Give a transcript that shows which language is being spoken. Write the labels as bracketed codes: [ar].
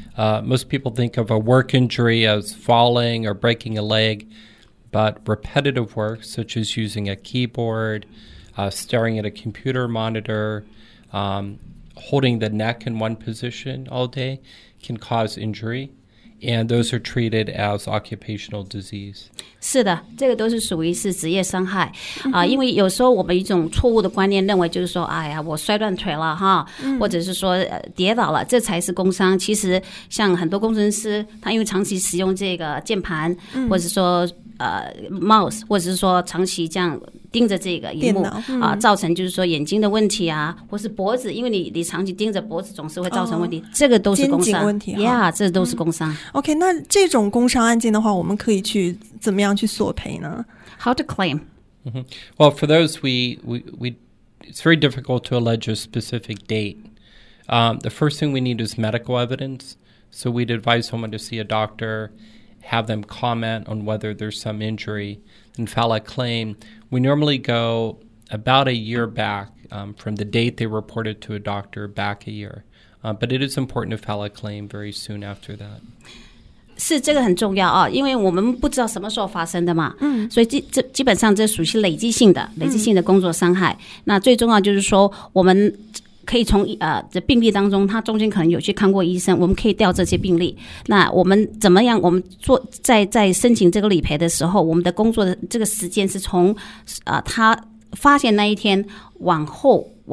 [en] Most people think of a work injury as falling or breaking a leg, but repetitive work, such as using a keyboard, staring at a computer monitor, holding the neck in one position all day, can cause injury. And those are treated as occupational disease. [zh] 是的，这个都是属于是职业伤害，因为有时候我们一种错误的观念认为就是说，哎呀，我摔断腿了哈，或者是说跌倒了，这才是工伤。其实像很多工程师，他因为长期使用这个键盘，或者说mouse， 或者是说长期这样盯着这个萤幕造成就是说眼睛的问题啊，或是脖子，因为你长期盯着脖子总是会造成问题，这个都是工伤。肩颈问题，Yeah， 这都是工伤。 OK， 那这种工伤案件的话，我们可以去怎么样去索赔呢 [en] ？How to claim？ Well, for those we it's very difficult to allege a specific date. The first thing we need is medical evidence. So we'd advise someone to see a doctor, have them comment on whether there's some injury. And file a claim, we normally go about a year back from the date they reported to a doctor back a year. But it is important to file a claim very soon after that. [zh] 是这个很重要啊，因为我们不知道什么时候发生的嘛，所以基本上这属于累积性的，累积性的工作伤害。那最重要就是说我们。可以从这病例当中，他中间可能有去看过医生，我们可以调这些病例。那我们怎么样？我们做在申请这个理赔的时候，我们的工作的这个时间是从他发现那一天往后